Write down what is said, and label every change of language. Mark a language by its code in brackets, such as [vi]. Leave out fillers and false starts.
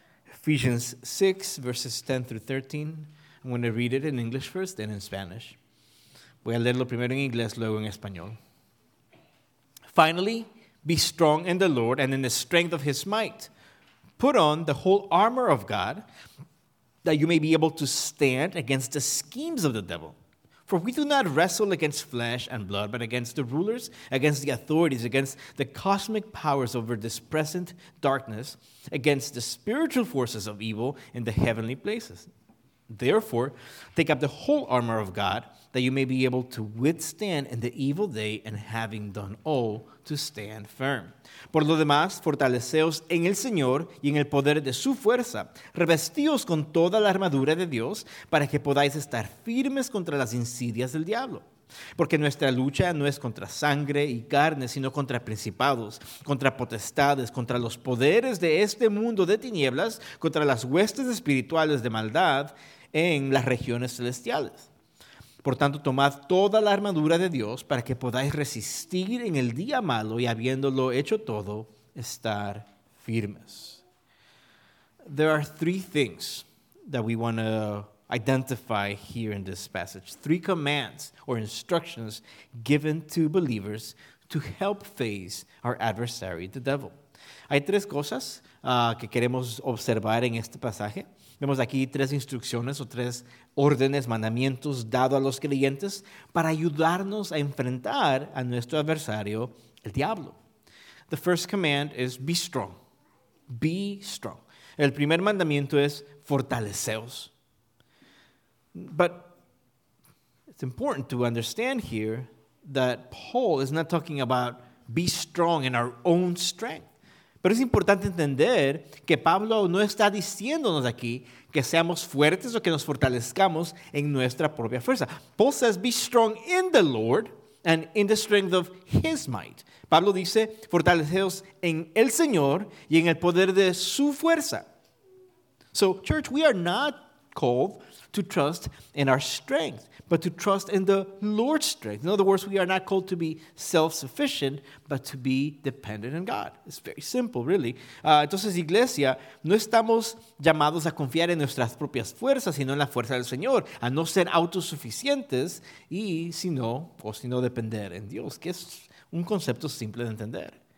[en] Ephesians 6, verses 10 through 13. I'm going to read it in English first, then in Spanish. [es] Voy a leerlo primero en inglés, luego en español. [en] Finally, Be strong in the Lord and in the strength of his might. Put on the whole armor of God, that you may be able to stand against the schemes of the devil. For we do not wrestle against flesh and blood, but against the rulers, against the authorities, against the cosmic powers over this present darkness, against the spiritual forces of evil in the heavenly places. Therefore, take up the whole armor of God, that you may be able to withstand in the evil day, and having done all, to stand firm. [es] Por lo demás, fortaleceos en el Señor y en el poder de su fuerza. Revestíos con toda la armadura de Dios para que podáis estar firmes contra las insidias del diablo. Porque nuestra lucha no es contra sangre y carne, sino contra principados, contra potestades, contra los poderes de este mundo de tinieblas, contra las huestes espirituales de maldad en las regiones celestiales. Por tanto, tomad toda la armadura de Dios para que podáis resistir en el día malo y habiéndolo hecho todo, estar firmes. [en] There are three things that we want to identify here in this passage. Three commands or instructions given to believers to help face our adversary, the devil. [es] Hay tres cosas que queremos observar en este pasaje. Vemos aquí tres instrucciones o tres órdenes, mandamientos dados a los creyentes para ayudarnos a enfrentar a nuestro adversario, el diablo. [en] The first command is be strong. Be strong. [es] El primer mandamiento es fortaleceos. [en] But it's important to understand here that Paul is not talking about be strong in our own strength. [es] Pero es importante entender que Pablo no está diciéndonos aquí que seamos fuertes o que nos fortalezcamos en nuestra propia fuerza. [en] Paul says, be strong in the Lord and in the strength of his might. [es] Pablo dice, fortaleceos en el Señor y en el poder de su fuerza. [en] So, church, we are not called to trust in our strength, but to trust in the Lord's strength. In other words, we are not called to be self-sufficient, but to be dependent on God. It's very simple, really. [es] Entonces, iglesia, no estamos llamados a confiar en nuestras propias fuerzas, sino en la fuerza del Señor, a no ser autosuficientes y sino depender en Dios, que es un concepto simple de entender.